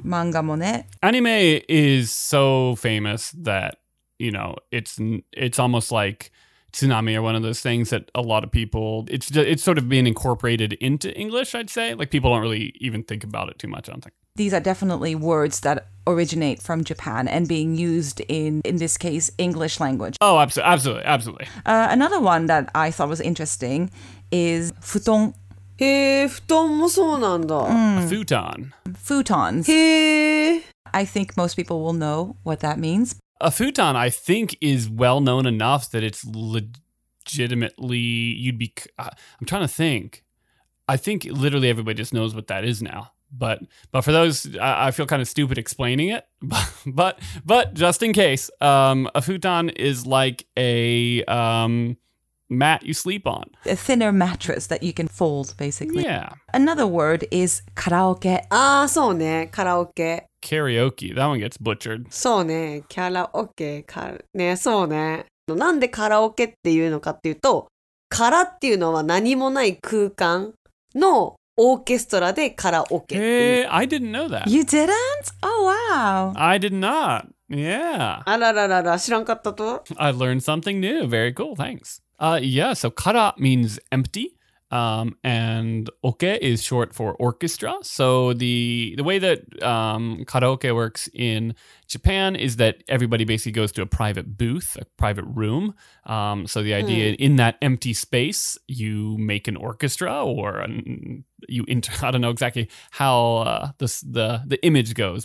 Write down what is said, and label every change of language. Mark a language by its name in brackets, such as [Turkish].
[Japanese] 漫画もね。 [English] アニメ is so famous that... You know, it's almost like tsunami or one of those things that a lot of people, it's sort of being incorporated into English, I'd say. Like, people don't really even think about it too much, I don't think. these are definitely words that originate from Japan and being used in this case, English language. Oh, absolutely, absolutely, absolutely. Another one that I thought was interesting is futon. [Japanese] へー、布団もそうなんだ。 [English] Futon. Futons. へー。 I think most people will know what that means. A futon, I think, is well known enough that it's legitimately, you'd be, I'm trying to think. I think literally everybody just knows what that is now. But for those, I feel kind of stupid explaining it. But just in case, a futon is like a... mat you sleep on. A thinner mattress that you can fold, basically. Yeah. Another word is karaoke. [Japanese] Ah, so ne, karaoke. [English] Karaoke, that one gets butchered. [Japanese] So ne, karaoke, ne, so ne. なんでカラオケっていうのかっていうと、カラっていうのは何もない空間のオーケストラでカラオケ。 [English] Hey, I didn't know that. You didn't? Oh, wow. I did not. Yeah. [Japanese] あららら、ら知らんかったと? [English] I learned something new. Very cool. Thanks. So kara means empty, and oke is short for orchestra. So the way that karaoke works in Japan is that everybody basically goes to a private booth, a private room. So the idea in that empty space, you make an orchestra or I don't know exactly how the image goes.